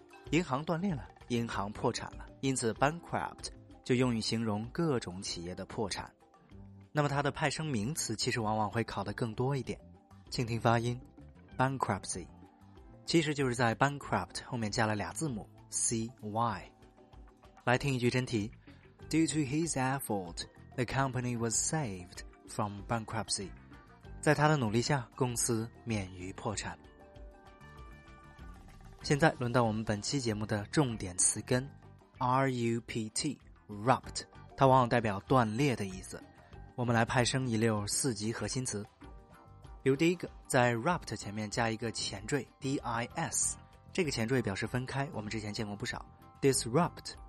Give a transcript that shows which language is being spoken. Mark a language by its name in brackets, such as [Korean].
[Chinese] 银行断裂了，银行破产了，因此 bankrupt 就用于形容各种企业的破产。那么它的派生名词其实往往会考得更多一点，请听发音 bankruptcy。其实就是在 bankrupt 后面加了俩字母 CY。来听一句真题。 [English] Due to his effort, the company was saved from bankruptcy。 [Chinese] 在他的努力下，公司免于破产。现在轮到我们本期节目的重点词根 RUPT RUPT， 它往往代表断裂的意思。我们来派生一溜四级核心词，比如第一个，在 rupt 前面加一个前缀 dis， 这个前缀表示分开，我们之前见过不少。disrupt